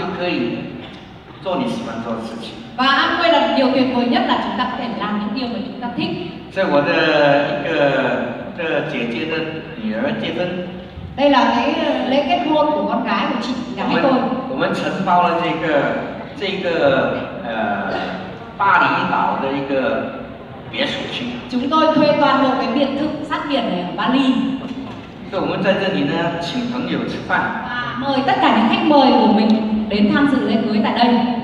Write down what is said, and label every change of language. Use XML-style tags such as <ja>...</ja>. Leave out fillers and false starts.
<zh>地方就可以做你喜欢做的事情。</zh> <vi>Và Amway là điều tuyệt vời nhất là chúng ta có thể làm những điều mà chúng ta thích.</vi> <zh>在我的一个姐姐的女儿结婚。</zh> <vi>Đây là cái lễ kết hôn của con gái của chị gái tôi.</vi> <zh>我们承包了这个巴厘岛的一个别墅区。</zh> <vi>Chúng tôi thuê toàn bộ cái biệt thự sát biển này ở Bali.</vi> <zh>所以我们在这里呢，请朋友吃饭。</zh> <vi>Mời tất cả những khách mời của mình đến tham dự lễ cưới tại đây.</vi>